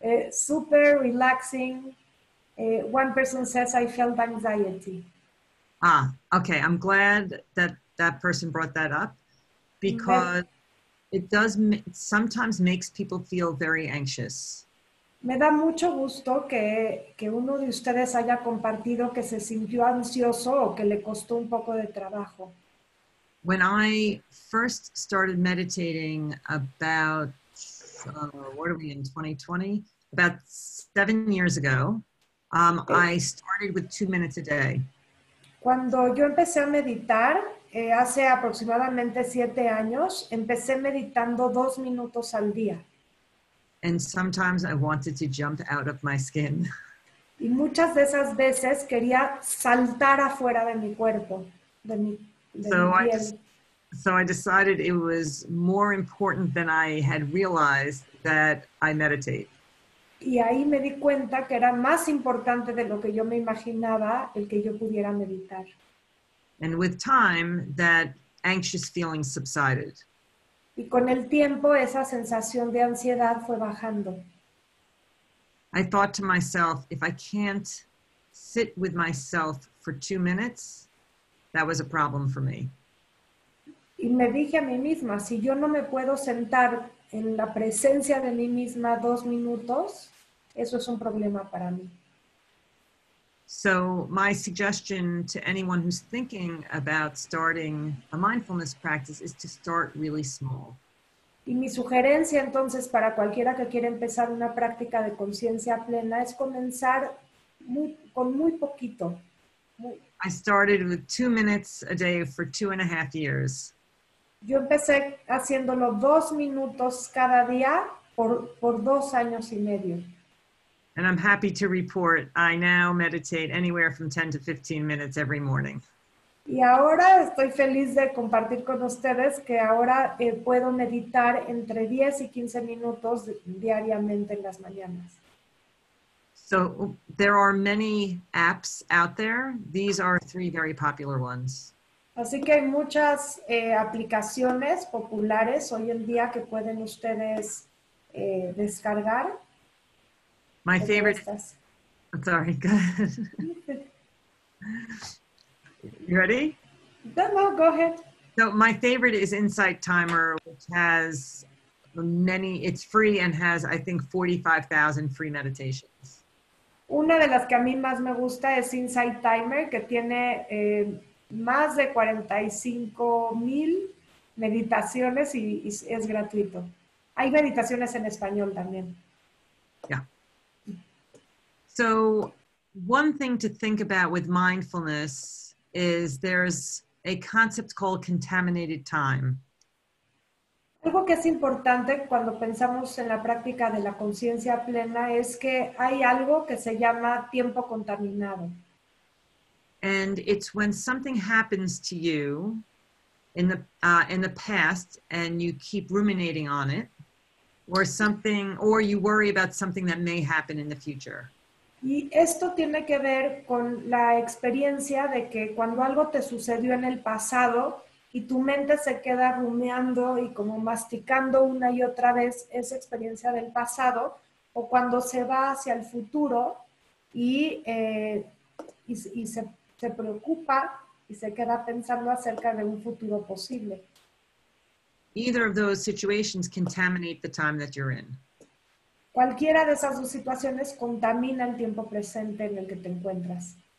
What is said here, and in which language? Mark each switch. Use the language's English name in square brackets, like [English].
[English] Super relaxing. One person says, I felt anxiety. Ah, okay, I'm glad that that person brought that up because it does sometimes makes people feel very anxious. [Spanish] Me da mucho gusto que uno de ustedes haya compartido que se sintió ansioso o que le costó un poco de trabajo. [English] When I first started meditating about, what are we in 2020? About 7 years ago, I started with 2 minutes a day. [Spanish] Cuando yo empecé a meditar, hace aproximadamente 7 años, empecé meditando 2 minutos al día. [English] And sometimes I wanted to jump out of my skin. [Spanish] Y muchas de esas veces quería saltar afuera de mi cuerpo, [English] So I decided it was more important than I had realized that I meditate. [Spanish] Y ahí me di cuenta que era más importante de lo que yo me imaginaba el que yo pudiera meditar. [English] And with time, that anxious feeling subsided. [Spanish] Y con el tiempo, esa sensación de ansiedad fue bajando. [English] I thought to myself, if I can't sit with myself for 2 minutes, that was a problem for me. [Spanish] Y me dije a mí misma, si yo no me puedo sentar en la presencia de mí misma 2 minutos, eso es un problema para mí. [English] So my suggestion to anyone who's thinking about starting a mindfulness practice is to start really small. [Spanish] Y mi sugerencia entonces para cualquiera que quiera empezar una práctica de conciencia plena es comenzar con muy poquito. [English] I started with 2 minutes a day for 2.5 years. [Spanish] Yo empecé haciéndolo 2 minutos cada día por 2 años y medio. [English] And I'm happy to report I now meditate anywhere from 10 to 15 minutes every morning. [Spanish] Y ahora estoy feliz de compartir con ustedes que ahora puedo meditar entre 10 y 15 minutos diariamente en las mañanas. [English] So there are many apps out there. These are 3 very popular ones. [Spanish] Así que hay muchas aplicaciones populares hoy en día que pueden ustedes descargar. [English] My favorite, I'm sorry, go ahead. You ready? No, go ahead. So my favorite is Insight Timer, which has many, it's free and has, I think, 45,000 free meditations. [Spanish] Una de las que a mí más me gusta es Insight Timer, que tiene más de 45,000 meditaciones y es gratuito. Hay meditaciones en español también. [English] Yeah. So one thing to think about with mindfulness is there's a concept called contaminated time. [Spanish] Algo que es importante cuando pensamos en la práctica de la conciencia plena es que hay algo que se llama tiempo contaminado. [English] And it's when something happens to you in the past and you keep ruminating on it, or something, or you worry about something that may happen in the future. [Spanish] Y esto tiene que ver con la experiencia de que cuando algo te sucedió en el pasado y tu mente se queda rumiando y como masticando una y otra vez esa experiencia del pasado, o cuando se va hacia el futuro y se preocupa y se queda pensando acerca de un futuro posible. [English] Either of those situations contaminate the time that you're in. [Spanish] Cualquiera de esas dos situaciones contamina el tiempo presente en el que te encuentras.